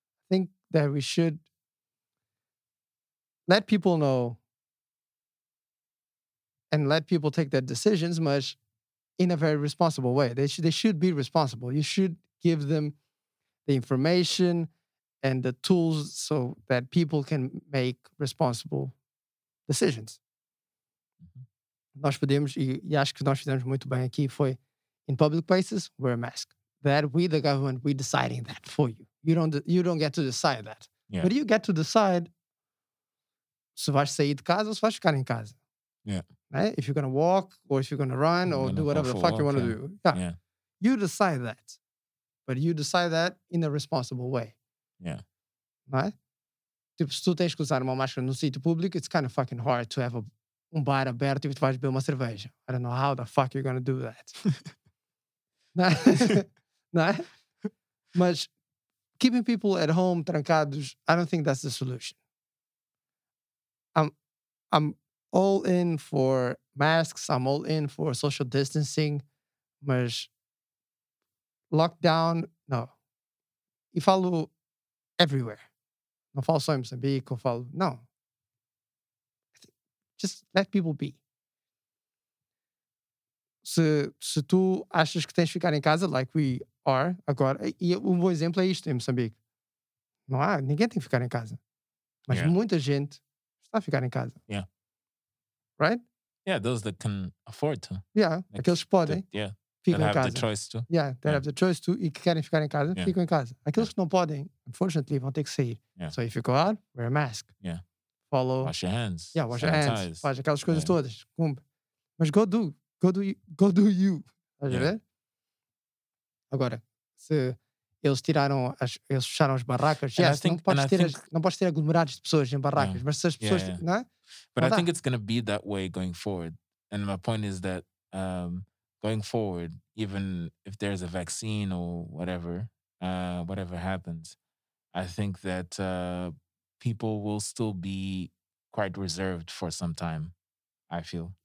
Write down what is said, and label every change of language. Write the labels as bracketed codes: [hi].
[en] I think that we should let people know and let people take their decisions much in a very responsible way. They should be responsible. You should give them the information and the tools so that people can make responsible decisions. Mm-hmm. [pt] Nós podemos, e acho que nós fizemos muito bem aqui, foi [en] in public places, wear a mask. That we, the government, we're deciding that for you. You don't get to decide that. Yeah. But you get to decide [pt] se vais sair de casa ou se vais ficar em casa. [en] Yeah. Right? If you're going to walk or if you're going to run or do whatever the fuck you want to do. Yeah. You decide that. But you decide that in a responsible way. Yeah. [pt] Right? Tipo, se tu tens que usar uma máscara no sítio público, [en] it's kind of fucking hard to have [pt] um bar aberto e tu vais beber uma cerveja. [en] I don't know how the fuck you're going to do that. [pt] Não é? [en] Mas keeping people at home trancados, I don't think that's the solution. I'm all in for masks, I'm all in for social distancing, mas lockdown, no. [pt] E falo [en] everywhere. [pt] Não falo só em Moçambique, eu falo, não. [en] Just let people be. [pt] Se tu achas que tens de ficar em casa, [en] like we are [pt] agora, e um bom exemplo é isto em Moçambique. Não há, ninguém tem que ficar em casa. Mas yeah. muita gente está a ficar em casa. [en] Yeah. Right? Yeah, those that can afford to. Yeah, like, [pt] aqueles que podem, ficam em casa. [en] Have the choice to. Yeah, they have the choice to, [pt] e que querem ficar em casa, ficam em casa. Aqueles que não podem, [en] unfortunately, [pt] vão ter que sair. [en] Yeah. So if you go out, wear a mask. Yeah. Follow. Wash your hands. Yeah, wash your hands. [pt] Faz aquelas coisas todas. Cumpre. Mas [en] go do. Go do you. [pt] Estás a ver? Agora, se eles tiraram, eles fecharam as barracas, não podes ter aglomerados de pessoas em barracas, mas se as pessoas... [en] Yeah. [pt] Não é? [en] But I think it's going to be that way going forward. And my point is that going forward, even if there's a vaccine or whatever, whatever happens, I think that people will still be quite reserved for some time, I feel.